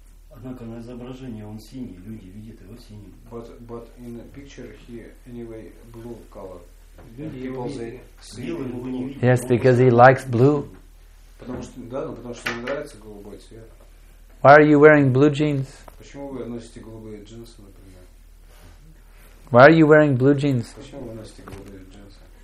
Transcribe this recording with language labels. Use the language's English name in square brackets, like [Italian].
[Russian] Однако на изображении он синий, люди видят его синим. [English] But in the picture he anyway blue color. [Russian] Люди его видят. [English] Yes, because he likes blue. [Russian] Потому что да, ну потому что ему нравится голубой цвет. [English] Why are you wearing blue jeans? [Russian] Почему вы носите голубые джинсы, например? [English] Why are you wearing blue jeans? [Russian] Почему вы носите голубые джинсы?